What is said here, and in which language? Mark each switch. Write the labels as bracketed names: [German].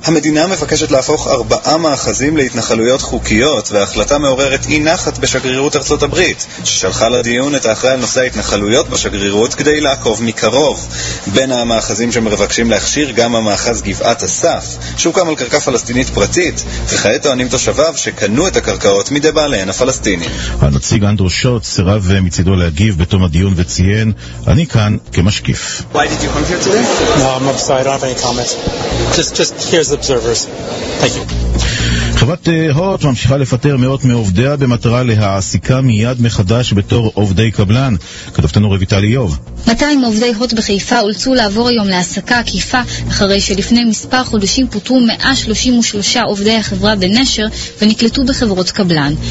[Hebrew] המדינה מבקשת להפוך 4 מאחזים להתנחלויות חוקיות, וההחלטה מעוררת אי נחת בשגרירות ארצות הברית, ששלחה לדיון את האחראי על נושא ההתנחלויות בשגרירות כדי לעקוב מקרוב. בין המאחזים שמבקשים להכשיר גם המאחז גבעת אסף, שהוקם על קרקע פלסטינית פרטית, וכעת טוענים תושביו שקנו את הקרקעות מדי בעליהן הפלסטינים. הנציג אנדרו שוט סירב מצידו להגיב בתום הדיון וציין, אני כאן כמשקיף. [English] Why did you come here today? No, I'm upset. I don't have any comments. Just here's the observers. Thank you. [Hebrew] חברת הוט ממשיכה לפטר מאות מעובדיה במטרה להעסיקה מיד מחדש בתור עובדי קבלן. כתבתנו רויטל איוב. 200 עובדי הוט בחיפה הולצו לעבור היום להעסקה עקיפה, אחרי שלפני מספר חודשים פוטרו 133 עובדי החברה בנשר ונקלטו בחברות קבלן.